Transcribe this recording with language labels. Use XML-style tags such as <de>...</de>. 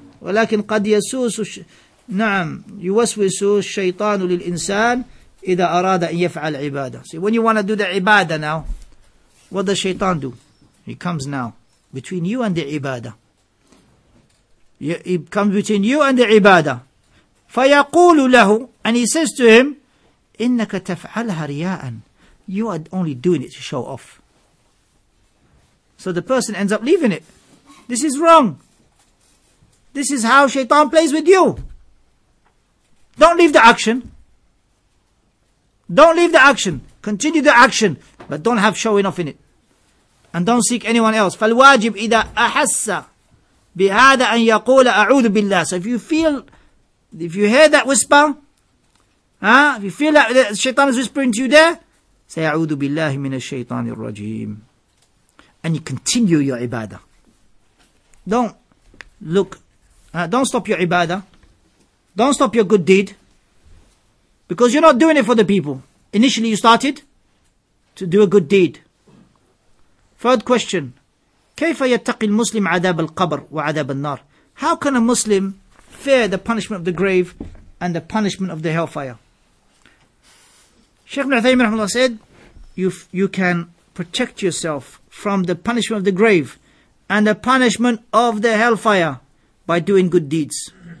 <ar>ولكن قد يسوس نعم يوسوس الشيطان للإنسان إذا أراد أن يفعل عبادة.</ar> <en>See, when you want to do the ibadah now, what does shaitan do? He comes now between you and the ibadah. He comes between you and the ibadah.</en> <ar>فيقول له,</ar> <en>and he says to him,</en> <ar>إنك تفعلها رياء.</ar> <en>You are only doing it to show off. So the person ends up leaving it. This is wrong. This is how shaitan plays with you. Don't leave the action. Don't leave the action. Continue the action. But don't have showing off in it. And don't seek anyone else.</en> <ar>فالواجب إذا أحس بهذا أن يقول أعوذ بالله.</ar> <en>So if you feel, if you hear that whisper, if you feel that shaitan is whispering to you there, say</en> <ar>أعوذ بالله من الشيطان الرجيم.</ar> <en>And you continue your ibadah. Don't look, don't stop your ibadah. Don't stop your good deed. Because you're not doing it for the people. Initially you started to do a good deed. Third question.</en> <ar>كيف يتقي المسلم عذاب القبر وعذاب النار?</ar> <en>How can a Muslim fear the punishment of the grave and the punishment of the hellfire? Shaykh ibn Uthaymeen rahimahullah said, you can protect yourself from the punishment of the grave and the punishment of the hellfire by doing good deeds.</en>